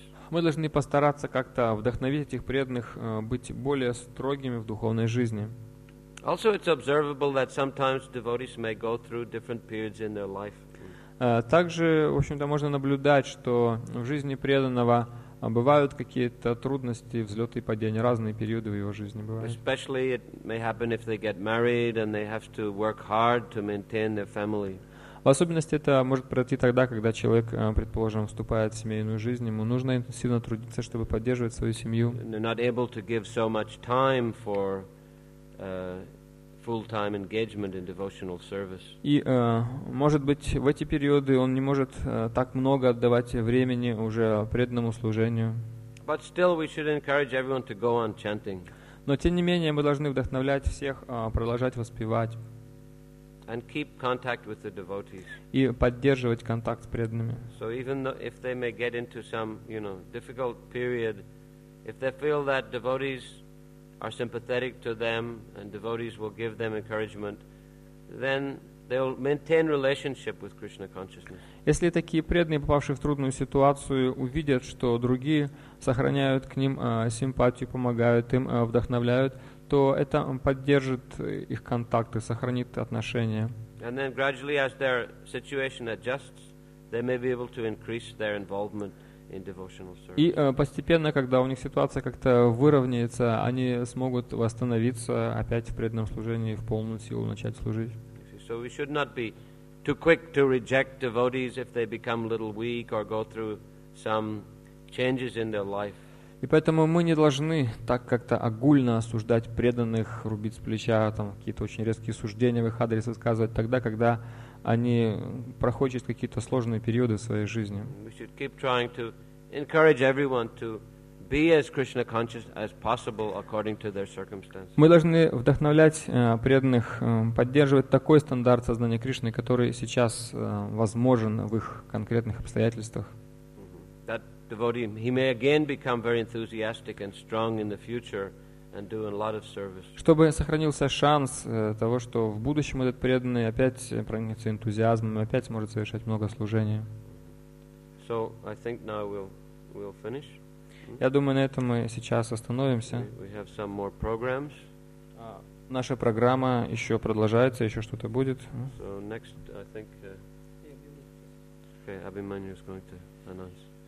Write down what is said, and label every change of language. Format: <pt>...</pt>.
<ru>Мы должны постараться как-то вдохновить этих преданных быть более строгими в духовной жизни.</ru> <en>Also, it's observable that sometimes devotees may go through different periods in their life.</en> <ru>Также, в общем-то, можно наблюдать, что в жизни преданного бывают какие-то трудности, взлеты и падения, разные периоды в его жизни бывают.</ru> <en>Especially it may happen if they get married and they have to work hard to maintain their family.</en> <ru>В особенности это может пройти тогда, когда человек, предположим, вступает в семейную жизнь, ему нужно интенсивно трудиться, чтобы поддерживать свою семью.</ru> <en>They're not able to give so much time for full-time engagement in devotional service.</en> <ru>И, может быть, в эти периоды он не может так много отдавать времени уже преданному служению.</ru> <en>But still we should encourage everyone to go on chanting.</en> <ru>Но тем не менее мы должны вдохновлять всех продолжать воспевать.</ru> <en>And keep contact with the devotees.</en> <ru>И поддерживать контакт с преданными.</ru> <en>So even though if they may get into some, you know, difficult period, if they feel that devotees are sympathetic to them and devotees will give them encouragement, then they'll maintain relationship with Krishna consciousness.</en> <ru>Если такие преданные, попавшие в трудную ситуацию, увидят, что другие сохраняют к ним симпатию, помогают им, вдохновляют, то это поддержит их контакты, сохранит отношения.</ru> <en>And then gradually, as their situation adjusts, they may be able to increase their involvement in devotional service.</en> <ru>И постепенно, когда у них ситуация как-то выровняется, они смогут восстановиться опять в преданном служении, в полную силу начать служить.</ru> <en>So we should not be too quick to reject devotees if they become a little weak or go through some changes in their life.</en> <ru>И поэтому мы не должны так как-то огульно осуждать преданных, рубить с плеча, там, какие-то очень резкие суждения в их адрес высказывать тогда, когда они проходят какие-то сложные периоды в своей жизни.</ru> <en>We should keep trying to encourage everyone to be as Krishna conscious as possible according to their circumstances.</en> <ru>Мы должны вдохновлять преданных поддерживать такой стандарт сознания Кришны, который сейчас возможен в их конкретных обстоятельствах.</ru> <en>That devotee, he may again become very enthusiastic and strong in the future and do a lot of service.</en> <ru>Чтобы сохранился шанс того, что в будущем этот преданный опять проникнется энтузиазмом, опять сможет совершать много служения.</ru> <en>So, I think now we'll finish.</en> <ru>Я думаю, на этом мы сейчас остановимся.</ru> <en>We have some more programs.</en> <ru>Наша программа еще продолжается, еще что-то будет.</ru> <en>So next, I think, okay, Abhimanyu is going to announce.</en>